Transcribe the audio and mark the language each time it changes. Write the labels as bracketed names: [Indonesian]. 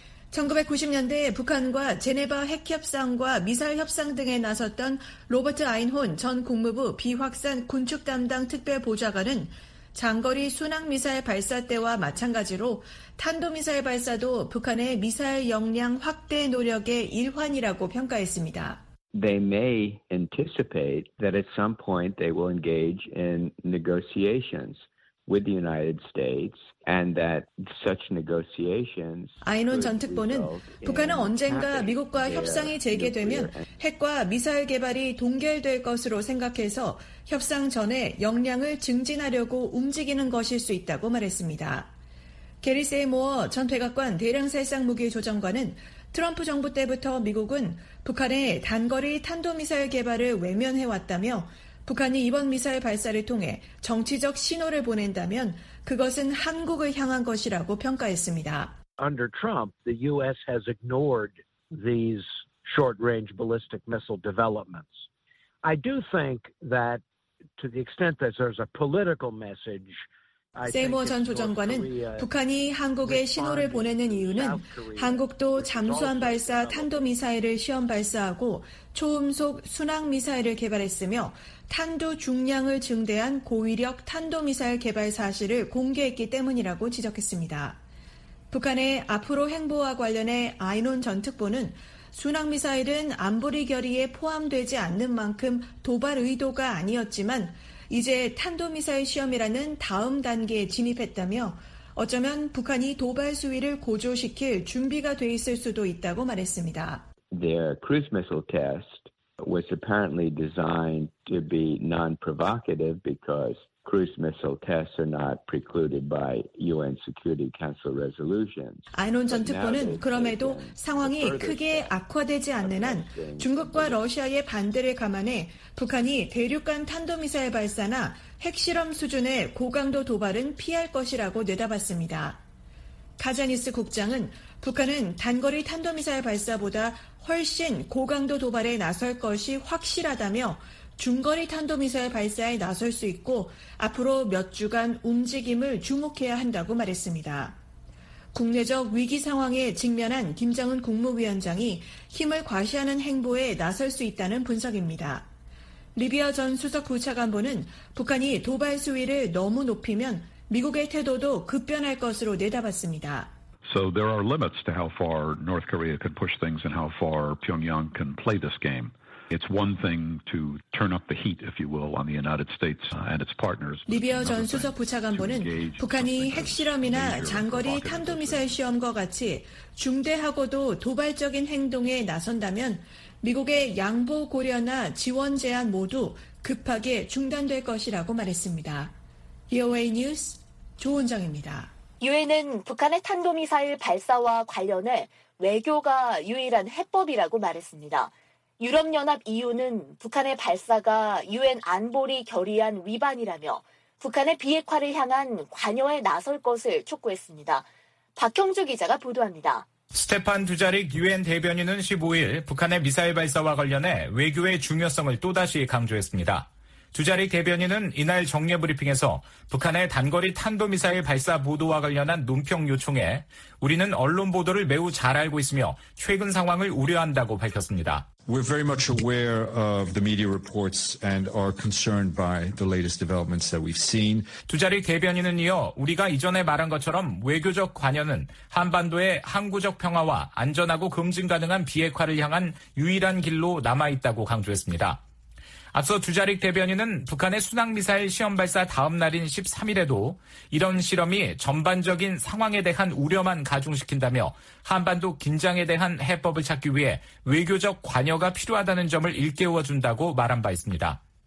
[Korean] 1990년대에 북한과 제네바 핵협상과 미사일 협상 등에 나섰던 로버트 아인혼 전 국무부 비확산 군축 담당 특별보좌관은 장거리 순항미사일 발사 때와 마찬가지로 탄도미사일 발사도 북한의 미사일 역량 확대 노력의 일환이라고 평가했습니다. [English] They may anticipate that at some point they will engage in negotiations with the United States and that such negotiations [Korean] 아인혼 전 특보는 북한은 언젠가 미국과 협상이 재개되면 핵과 미사일 개발이 동결될 것으로 생각해서 협상 전에 역량을 증진하려고 움직이는 것일 수 있다고 말했습니다. 게리 세이모어 전 백악관 대량살상무기 조정관은 트럼프 정부 때부터 미국은 북한의 단거리 탄도미사일 개발을 외면해왔다며 북한이 이번 미사일 발사를 통해 정치적 신호를 보낸다면 그것은 한국을 향한 것이라고 평가했습니다. [English] Under Trump, the U.S. has ignored these short-range ballistic missile developments. I do think that to the extent that there's a political message [Korean] 세이머 전 조정관은 북한이 한국에 신호를 보내는 이유는 한국도 잠수함 발사 탄도미사일을 시험 발사하고 초음속 순항미사일을 개발했으며 탄두 중량을 증대한 고위력 탄도미사일 개발 사실을 공개했기 때문이라고 지적했습니다. 북한의 앞으로 행보와 관련해 아인혼 전 특보는 순항미사일은 안보리 결의에 포함되지 않는 만큼 도발 의도가 아니었지만 이제 탄도미사일 시험이라는 다음 단계에 진입했다며 어쩌면 북한이 도발 수위를 고조시킬 준비가 돼 있을 수도 있다고 말했습니다. [English] Their cruise missile test was apparently designed to be non-provocative because cruise missile tests are not precluded by UN Security Council resolutions. [Korean] 아인혼 전 특보는 그럼에도 상황이 크게 악화되지 않는 한 중국과 러시아의 반대를 감안해 북한이 대륙간 탄도미사일 발사나 핵실험 수준의 고강도 도발은 피할 것이라고 내다봤습니다. 카자니스 국장은 북한은 단거리 탄도미사일 발사보다 훨씬 고강도 도발에 나설 것이 확실하다며 중거리 탄도미사일 발사에 나설 수 있고 앞으로 몇 주간 움직임을 주목해야 한다고 말했습니다. 국내적 위기 상황에 직면한 김정은 국무위원장이 힘을 과시하는 행보에 나설 수 있다는 분석입니다. 리비아 전 수석 부차관보는 북한이 도발 수위를 너무 높이면 미국의 태도도 급변할 것으로 내다봤습니다. [English] So there are limits to how far North Korea can push things and how far Pyongyang can play this game. It's one thing to turn up the heat, if you will, on the United States and its partners. [Korean] 리비어 전 수석 부차관보는 북한이 핵실험이나 장거리 탄도미사일 시험과 같이 중대하고도 도발적인 행동에 나선다면 미국의 양보 고려나 지원 제한 모두 급하게 중단될 것이라고 말했습니다. VOA 뉴스 조은정입니다. 유엔은 북한의 탄도미사일 발사와 관련해 외교가 유일한 해법이라고 말했습니다. 유럽연합 EU는 북한의 발사가 유엔 안보리 결의안 위반이라며 북한의 비핵화를 향한 관여에 나설 것을 촉구했습니다. 박형주 기자가 보도합니다. 스테판 두자릭 유엔 대변인은 15일 북한의 미사일 발사와 관련해 외교의 중요성을 또다시 강조했습니다. 두자릭 대변인은 이날 정례 브리핑에서 북한의 단거리 탄도미사일 발사 보도와 관련한 논평 요청에 우리는 언론 보도를 매우 잘 알고 있으며 최근 상황을 우려한다고 밝혔습니다. [English] We're very much aware of the media reports and are concerned by the latest developments that we've seen. [Korean] 두자릭 대변인은 이어 우리가 이전에 말한 것처럼 외교적 관여는 한반도의 항구적 평화와 안전하고 검증 가능한 비핵화를 향한 유일한 길로 남아있다고 강조했습니다. 앞서 두자릭 대변인은 북한의 순항미사일 시험 발사 다음 날인 13일에도 이런 실험이 전반적인 상황에 대한 우려만 가중시킨다며 한반도 긴장에 대한 해법을 찾기 위해 외교적 관여가 필요하다는 점을 일깨워준다고 말한 바 있습니다.